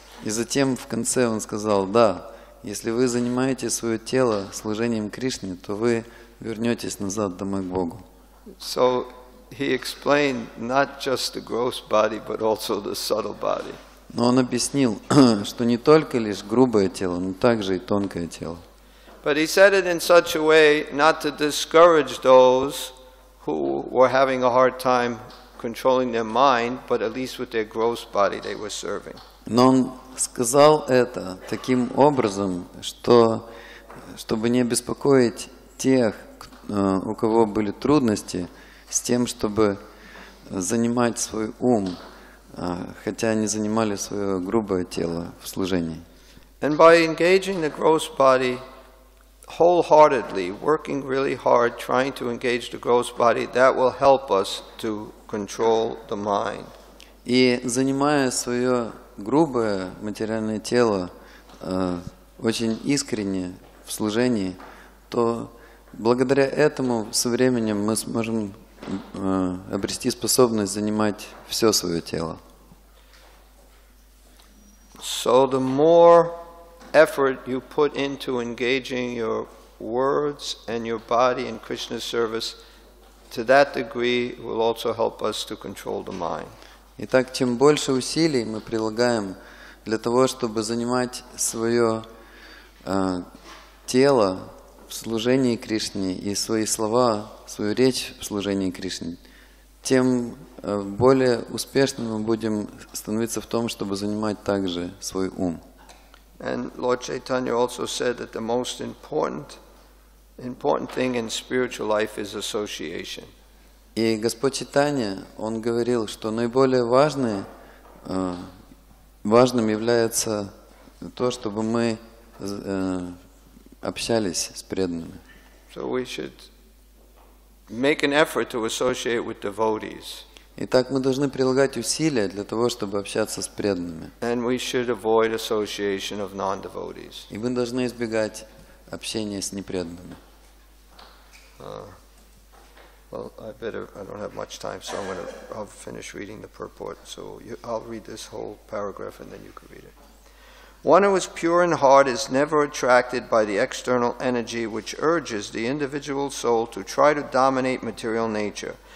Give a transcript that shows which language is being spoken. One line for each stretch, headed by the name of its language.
Russian: И затем в конце он сказал, да, если вы занимаете свое тело служением Кришне, то вы вернетесь назад домой к Богу.
English: So he explained not just the gross body, but also the subtle body.
Russian: Но он объяснил, что не только лишь грубое тело, но также и тонкое тело.
English: But he said it in such a way not to discourage those who were having a hard time controlling their mind, but at least with their gross body they were serving.
Russian: Но он сказал это таким образом, что чтобы не беспокоить тех, у кого были трудности с тем, чтобы занимать свой ум, хотя они занимали свое грубое тело в служении.
English: And by engaging the gross body wholeheartedly, working really hard, trying to engage the gross body, that will help us to control the mind.
Russian: И занимая свое грубое материальное тело очень искренне в служении, то благодаря этому со временем мы сможем обрести способность занимать все свое тело.
English: So the more effort you put into engaging your words and your body in Krishna's service, to that degree will also help us to control the mind.
Russian: Итак, чем больше усилий мы прилагаем для того, чтобы занимать свое тело в служении Кришне и свои слова, свою речь в служении Кришне, тем более успешным мы будем становиться в том, чтобы занимать также свой ум.
English: And Lord Chaitanya also said that the most important thing in spiritual life is association.
Russian: И Господь Чайтанья, он говорил, что наиболее важным является то, чтобы мы общались с преданными.
English: So we should make an effort to associate with devotees.
Russian: Итак, мы должны прилагать усилия для того, чтобы общаться с преданными.
English: And we should avoid association of non-devotees.
Russian: И мы должны избегать общения с непреданными.
English: Well, I don't have much time, so I'll finish reading the purport. So I'll read this whole paragraph and then you can read it. One who is pure in heart is never attracted by the external energy which urges the individual soul to try to dominate material nature.